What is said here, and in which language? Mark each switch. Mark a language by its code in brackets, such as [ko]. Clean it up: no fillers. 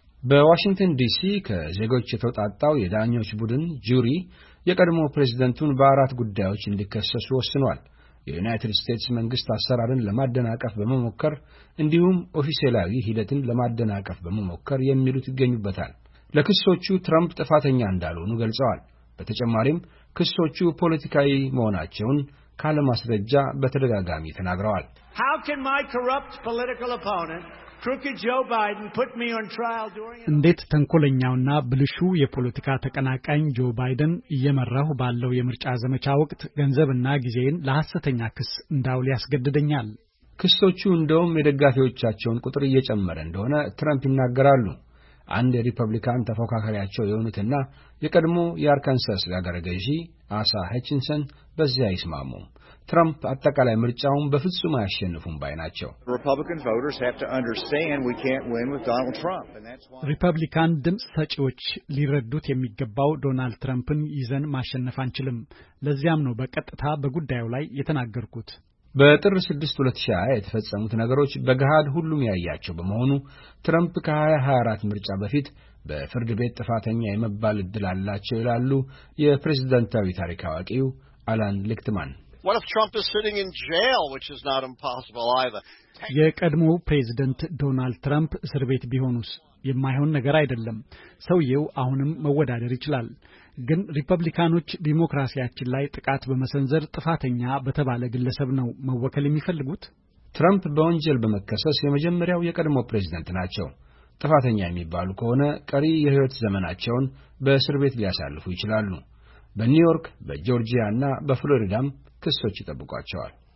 [am] በዋሽንግተን ዲሲ ከዜጎች የተውጣጣው የዳኞች ቡድን ጁሪ የቀድሞ ፕሬዝደንቱን በአራት ጉዳዮች እንዲከሰሱ ወስኗል። የዩናይትድ ስቴትስ መንግስት አሰራርን ለማደናቀፍ በመሞከር እንዲሁም ኦፊሴላዊ ሂደትን ለማደናቀፍ በመሞከር የሚሉት ይገኙበታል። ለክሶቹ ትራምፕ ጥፋተኛ እንዳልሆኑ ገልጸዋል። በተጨማሪም ክሶቹ ፖለቲካዊ መሆናቸውን ካለማስረጃ በተደጋጋሚ ተናግረዋል። [en] How can my corrupt political opponent Crooked Joe Biden put me on trial during [am] እንዴት ተንኮለኛውና ብልሹ የፖለቲካ ተቀናቃኝ ጆ ባይደን እየመረው ባለው የምርጫ ዘመቻ ወቅት ገንዘብና ጊዜን ለሐሰተኛ ክስ እንዳውል ያስገድደኛል። ክሶቹ እንደውም የደጋፊዎቻቸውን ቁጥር እየጨመረ እንደሆነ ትራምፕ ይናገራሉ። አንድ ሪፐብሊካን ተፎካካሪያቸው የሆኑትና የቀድሞ የአርካንሳስ ያገረ ገዢ አሳ ሄችንሰን በዚያ ይስማሙ። ትራምፕ አጠቃላይ ምርጫውን በፍጹም አያሸንፉም ባይ ናቸው። ሪፐብሊካን ድምጽ ሰጪዎች ሊረዱት የሚገባው ዶናልድ ትራምፕን ይዘን ማሸነፍ አንችልም። ለዚያም ነው በቀጥታ በጉዳዩ ላይ የተናገርኩት። በጥር 6 2020 የተፈጸሙት ነገሮች በገሃድ ሁሉም ያያቸው በመሆኑ ትራምፕ ከ2024 ምርጫ በፊት በፍርድ ቤት ጥፋተኛ የመባል እድል አላቸው ይላሉ የፕሬዝዳንታዊ ታሪክ አዋቂው አላን ሌክትማን። [en] What if Trump is sitting in jail, which is not impossible either? [am] የቀድሞ ፕሬዝዳንት ዶናልድ ትራምፕ እስር ቤት ቢሆኑስ? የማይሆን ነገር አይደለም። ሰውየው አሁንም መወዳደር ይችላል። ግን ሪፐብሊካኖች ዲሞክራሲያችን ላይ ጥቃት በመሰንዘር ጥፋተኛ በተባለ ግለሰብ ነው መወከል የሚፈልጉት? ትራምፕ በወንጀል በመከሰስ የመጀመሪያው የቀድሞ ፕሬዝደንት ናቸው። ጥፋተኛ የሚባሉ ከሆነ ቀሪ የህይወት ዘመናቸውን በእስር ቤት ሊያሳልፉ ይችላሉ። በኒውዮርክ፣ በጆርጂያ እና በፍሎሪዳም ክሶች ይጠብቋቸዋል።